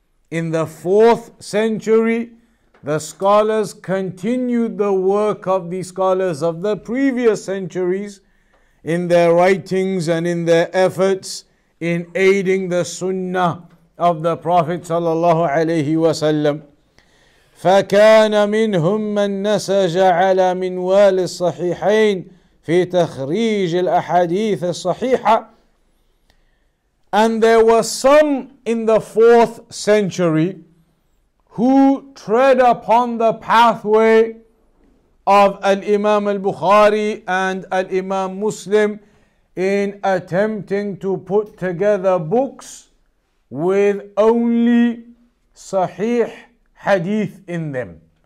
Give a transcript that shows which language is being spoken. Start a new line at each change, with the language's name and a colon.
English: In the fourth century, the scholars continued the work of the scholars of the previous centuries in their writings and in their efforts in aiding the sunnah of the Prophet sallallahu alaihi wasallam.
Arabic: فكان منهم من نسج على منوال الصحيحين في تخريج الأحاديث الصحيحة.
English: And there were some in the fourth century who tread upon the pathway of al-Imam al-Bukhari and al-Imam Muslim in attempting to put together books with only sahih Hadith in them.